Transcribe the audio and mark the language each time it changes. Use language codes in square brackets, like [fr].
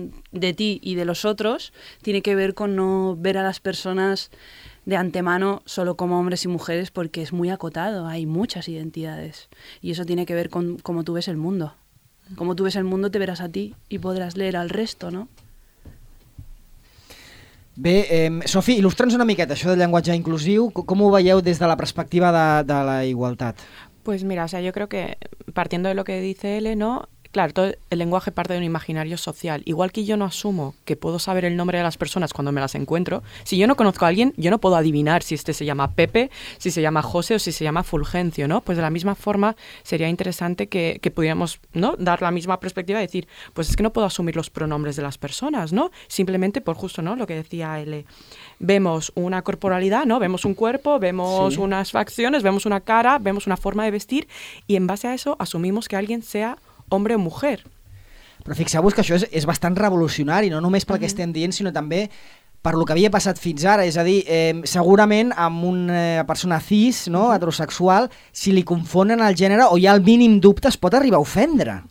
[es] De ti y de los otros, tiene que ver con no ver a las personas de antemano solo como hombres y mujeres, porque es muy acotado, hay muchas identidades. Y eso tiene que ver con cómo tú ves el mundo. Como tú ves el mundo, te verás a ti y podrás leer al resto, ¿no? [ca] Bé, Sofi, il·lustra'ns una miqueta això del llenguatge inclusiu. Com ho veieu des de la perspectiva de la igualtat? [es] Pues mira, o sea, yo creo que partiendo de lo que dice L, ¿no? Claro, todo el lenguaje parte de un imaginario social. Igual que yo no asumo que puedo saber el nombre de las personas cuando me las encuentro, si yo no conozco a alguien, yo no puedo adivinar si este se llama Pepe, si se llama José o si se llama Fulgencio, ¿no? Pues de la misma forma sería interesante que pudiéramos, ¿no?, dar la misma perspectiva y decir, pues es que no puedo asumir los pronombres de las personas, ¿no? Simplemente por justo, ¿no?, lo que decía L. Vemos una corporalidad, ¿no? Vemos un cuerpo, vemos sí, unas facciones, vemos una cara, vemos una forma de vestir y en base a eso asumimos que alguien sea hombre o mujer. [ca] Però fixeu-vos que això és bastant revolucionari, no només pel que estem dient, sinó també per lo que havia passat fins ara. És a dir, segurament amb una persona cis, no, heterosexual, si li confonen el gènere o hi ha el mínim dubte, es pot arribar a ofendre.